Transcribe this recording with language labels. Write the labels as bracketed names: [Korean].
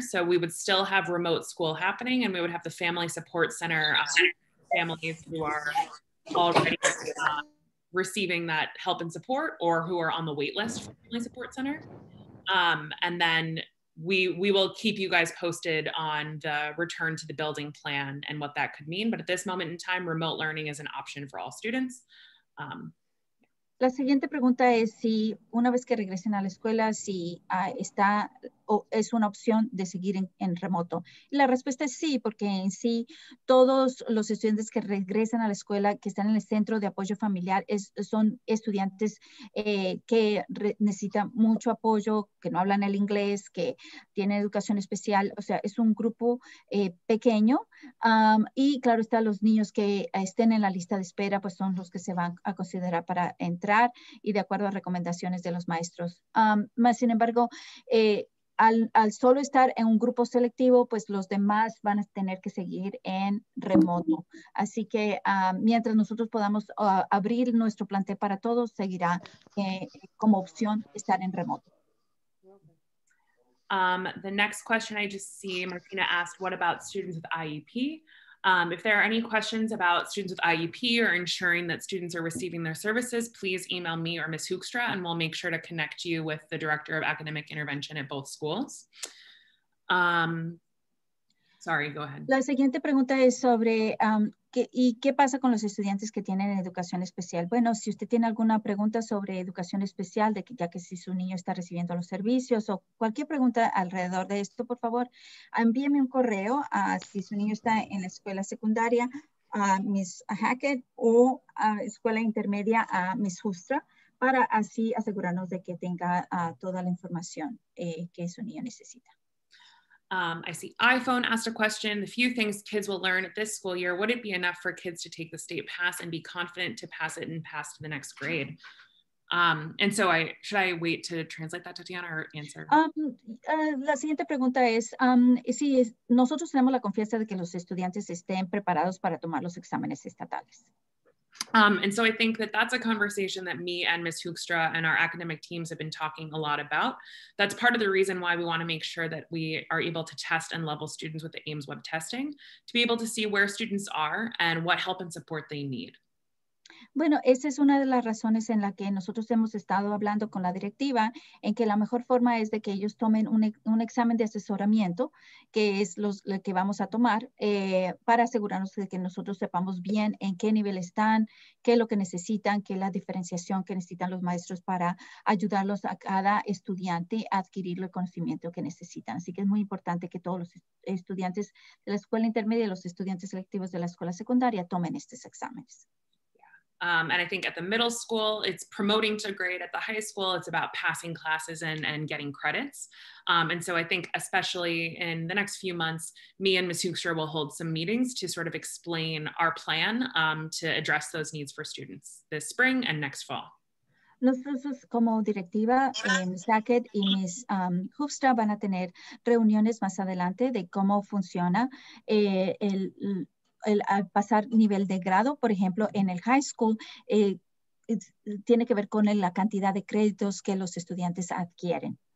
[English] So we would still have remote school happening and we would have the Family Support Center families who are already receiving that help and support or who are on the wait list for Family Support Center. And then we will keep you guys posted on the return to the building plan and what that could mean. But at this moment in time, remote learning is an option for all students. [Spanish] La siguiente pregunta es si una vez que regresen a la escuela, si está o es una opción de seguir en remoto? La respuesta es sí, porque en sí todos los estudiantes que regresan a la escuela, que están en el centro de apoyo familiar, son estudiantes que necesitan mucho apoyo, que no hablan el inglés, que tienen educación especial, o sea, es un grupo pequeño. Y claro está, los niños que estén en la lista de espera, pues son los que se van a considerar para entrar y de acuerdo a recomendaciones de los maestros. Más sin embargo, al solo estar en un grupo selectivo, pues los demás van a tener que seguir en remoto. Así que mientras nosotros podamos abrir nuestro plantel para todos, seguirá como opción estar en remoto. [English] The next question I just see, Martina asked, what about students with IEP? If there are any questions about students with IEP or ensuring that students are receiving their services, please email me or Ms. Hoekstra and we'll make sure to connect you with the Director of Academic Intervention at both schools. Go ahead. [Spanish] La siguiente pregunta es sobre ¿qué pasa con los estudiantes que tienen educación especial? Bueno, si usted tiene alguna pregunta sobre educación especial, ya que si su niño está recibiendo los servicios o cualquier pregunta alrededor de esto, por favor, envíeme un correo a si su niño está en la escuela secundaria a Ms. Hackett o a escuela intermedia a Ms. Hoekstra para así asegurarnos de que tenga toda la información que su niño necesita. [English] I see iPhone asked a question. The few things kids will learn this school year, would it be enough for kids to take the state pass and be confident to pass it and pass to the next grade? And so should I wait to translate that, Tatiana, or answer? [Spanish] La siguiente pregunta es, si nosotros tenemos la confianza de que los estudiantes estén preparados para tomar los exámenes estatales. [English] And so I think that's a conversation that me and Ms. Hoekstra and our academic teams have been talking a lot about. That's part of the reason why we want to make sure that we are able to test and level students with the AIMS web testing, to be able to see where students are and what help and support they need. [Spanish] Bueno, esa es una de las razones en la que nosotros hemos estado hablando con la directiva, en que la mejor forma es de que ellos tomen un examen de asesoramiento, que es lo que vamos a tomar, para asegurarnos de que nosotros sepamos bien en qué nivel están, qué es lo que necesitan, qué es la diferenciación que necesitan los maestros para ayudarlos a cada estudiante a adquirir el conocimiento que necesitan. Así que es muy importante que todos los estudiantes de la escuela intermedia y los estudiantes selectivos de la escuela secundaria tomen estos exámenes. [English] And I think at the middle school, it's promoting to grade. At the high school, it's about passing classes and getting credits. And so I think especially in the next few months, me and Ms. Hoekstra will hold some meetings to sort of explain our plan to address those needs for students this spring and next fall. [Spanish] Nosotros como directiva, Ms. Hackett y Ms. Hoekstra van a tener reuniones más adelante de cómo funciona el pasar nivel de grado, por ejemplo, en el [English] high school, [Spanish] tiene que ver con la cantidad de créditos que los estudiantes adquieren.